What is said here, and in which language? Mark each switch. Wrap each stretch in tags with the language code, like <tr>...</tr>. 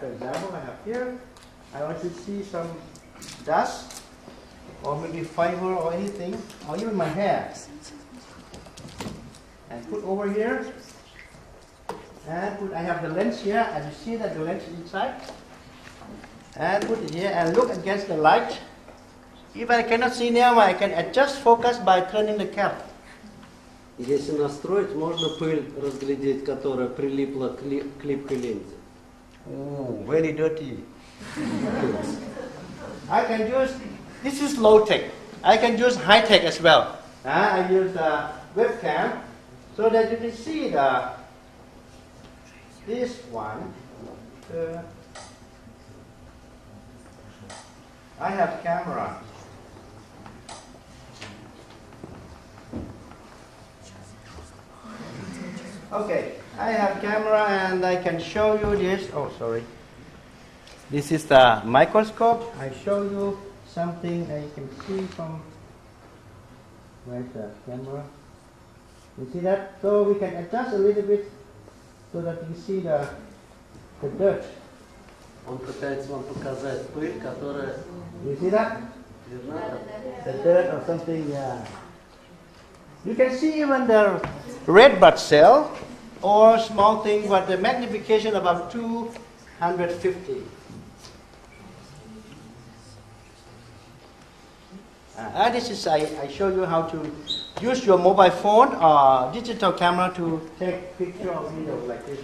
<en>For example, I have here, I want to see some dust or maybe fiber or anything, or even my hair. And put over here, and put, I have the lens here, as you see that the lens is inside, and put it here and look against the light. If I cannot see near, I can adjust focus by turning the cap.</en> <ru>Если настроить, можно пыль разглядеть, которая прилипла к липкой линзе.</ru> <en>Oh, very dirty. I can use, this is low tech. I can use high tech as well. I use a webcam so that you can see the this one. I have camera. Okay, I have camera and I can show you this. Oh, sorry. This is the microscope. I show you something that you can see from. Where's the camera? You see that? So we can adjust a little bit so that you see the dirt.</en> <ru>Он пытается вам показать пыль, которая.</ru> <en>You see that? The dirt or something, yeah. You can see even the red blood cell. Or small thing, but the magnification about 250. This is, I show you how to use your mobile phone or digital camera to take picture of video like this.</en>